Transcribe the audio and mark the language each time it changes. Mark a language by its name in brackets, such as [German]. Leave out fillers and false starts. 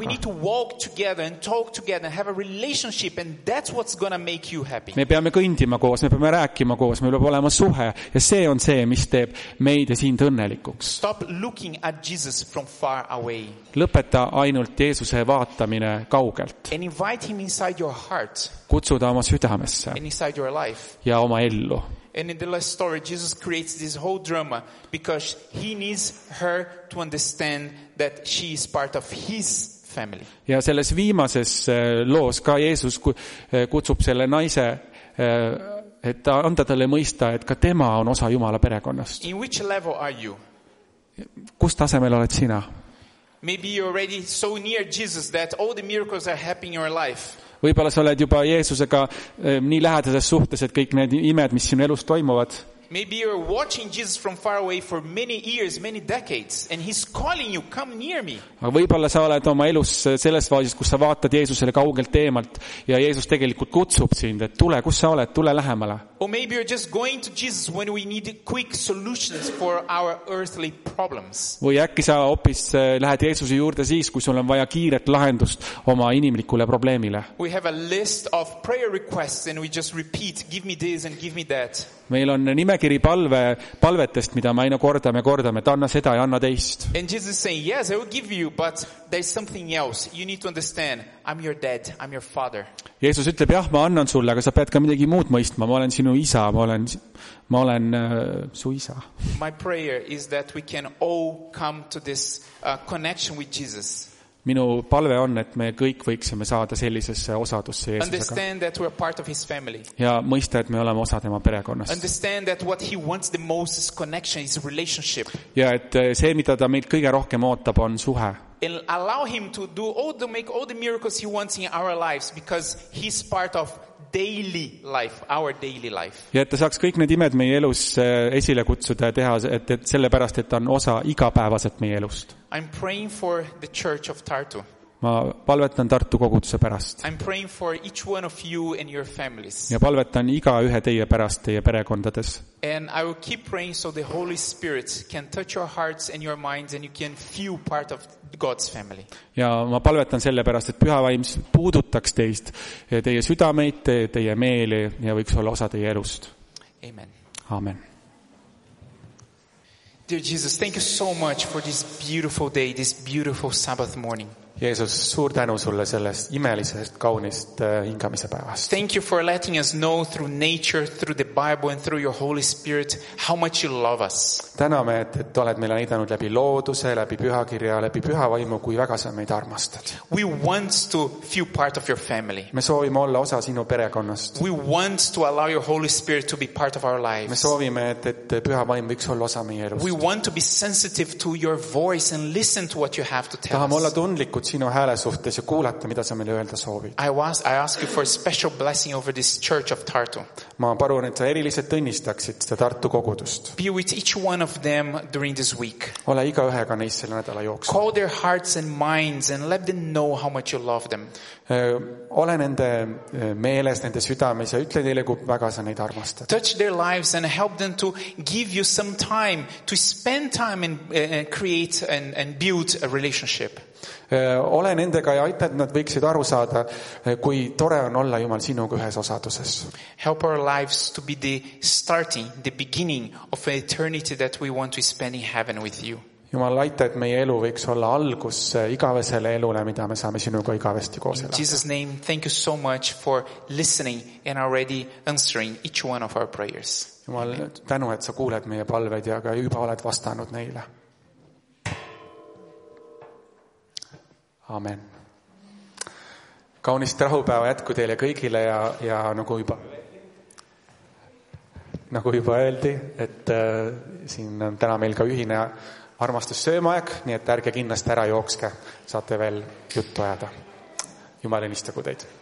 [English] We need to walk together and talk together and have a relationship and that's what's going to make you happy. [Estonian] Me peame kõndima koos, me peame rääkima koos, meil peab olema suhe ja see on see, mis teeb meid ja sind õnnelikuks. [English] Stop looking at Jesus from far away. [Estonian] Lõpeta ainult Jeesuse vaatamine kaugelt. [English] And invite him inside your heart. [Estonian] Kutsuda oma südamesse. [English] And inside your life. [Estonian] Ja oma ellu. [English] And in the last story, Jesus creates this whole drama because he needs her to understand that she is part of his family. [Estonian] Ja selles viimases loos ka Jeesus kutsub selle naise, et ta anda talle mõista, et ka tema on osa Jumala perekonnast. [English] In which level are you? [Estonian] Kus tasemel oled sina? [English] Maybe you're already so near Jesus that all the miracles are happening in your life. [Estonian] Võibolla sa oled juba Jeesusega nii lähedases suhtes, et kõik need imed, mis sinu elus toimuvad. [English] Maybe you're watching Jesus from far away for many years, many decades, and he's calling you, come near me. [Estonian] Aga võibolla sa oled oma elus selles faasis, kus sa vaatad Jeesusele kaugelt eemalt ja Jeesus tegelikult kutsub sind, et tule, kus sa oled, tule lähemale. [English] Or maybe you're just going to Jesus when we need quick solutions for our earthly problems. [Estonian] Või äkki sa oppis lähed Jeesuse juurde siis, kui sul on vaja kiiret lahendust oma inimlikule probleemile. [English] We have a list of prayer requests and we just repeat, give me this and give me that. [Estonian] Meil on nimekiri palvetest, mida me aina kordame, et anna seda ja anna teist. [English] And Jesus is saying, yes, I will give you, but there's something else. You need to understand, I'm your dad, I'm your father. [Estonian] Jeesus ütleb, jah, ma annan sulle, aga sa pead ka midagi muud mõistma. Ma olen sinu isa, ma olen su isa. [English] My prayer is that we can all come to this connection with Jesus. [Estonian] Minu palve on, et me kõik võiksime saada sellisesse osadusse Jeesusega. [English] Understand that we are part of his family. [Estonian] Ja mõista, et me oleme osa tema perekonnast. [English] Understand that what he wants the most is connection, is relationship. [Estonian] Ja et see, mida ta meid kõige rohkem ootab, on suhe. [English] And allow him to do all the make all the miracles he wants in our lives because he's part of daily life, our daily life. [Estonian] Ja et ta saaks kõik need imed meie elus esile kutsuda ja teha, et sellepärast, et ta on osa igapäevaselt meie elust. [English] I'm praying for the church of Tartu. [Estonian] Ma palvetan Tartu koguduse pärast. [English] I'm praying for each one of you and your families. [Estonian] Ja palvetan iga ühe teie pärast teie perekondades. [English] And I will keep praying so the Holy Spirit can touch your hearts and your minds and you can feel part of God's family. [Estonian] Ja ma palvetan selle pärast, et püha vaim puudutaks teist ja teie südameid, teie meeli ja võiks olla osa teie elust. [English] Amen. [Estonian] Amen. [English] Dear Jesus, thank you so much for this beautiful day, this beautiful Sabbath morning. [Estonian] Jeesus, suur tänu sulle sellest imelisest kaunist hingamise päevast. [English] Thank you for letting us know through nature, through the Bible and through your Holy Spirit how much you love us. [Estonian] Täname, et oled meile näidanud läbi looduse, läbi pühakirja, läbi püha vaimu, kui väga sa meid armastad. [English] We want to feel part of your family. [Estonian] Me soovime olla osa sinu perekonnast. [English] We want to allow your Holy Spirit to be part of our lives. [Estonian] Me soovime, et püha vaim võiks olla osa meie elust. [English] We want to be sensitive to your voice and listen to what you have to tell us. [Estonian] Tahame olla tundlik kut sinu hääle suhtes ja kuulata, mida sa meile öelda soovid. [English] I ask you for a special blessing over this church of Tartu. [Estonian] Ma palun, et sa eriliselt õnnistaksid seda Tartu kogudust. [English] Be with each one of them during this week. [Estonian] Ole iga ühega neist selle nädala jooksul. [English] Call their hearts and minds and let them know how much you love them. [Estonian] Ole nende meeles, nende südames ja ütle neile, kui väga sa neid armastad. [English] Touch their lives and help them to give you some time to spend time and create and build a relationship. [Estonian] Ole nendega ja aita, et nad võiksid aru saada, kui tore on olla Jumal sinuga ühes osaduses. [English] Help our lives to be the starting, the beginning of an eternity that we want to spend in heaven with you. [Estonian] Jumal, aita, et meie elu võiks olla algus igavesele elule, mida me saame sinuga igavesti koos elada. [English] In Jesus' name, thank you so much for listening and already answering each one of our prayers. [Estonian] Jumal, tänu, et sa kuuled meie palved ja ka juba oled vastanud neile. Amen. Kaunist rahupäeva jätku teile kõigile ja nagu juba öeldi, et siin on täna meil ka ühine armastus söömaaeg, nii et ärge kindlasti ära jookske, saate veel juttu ajada. Jumal õnnistagu teid.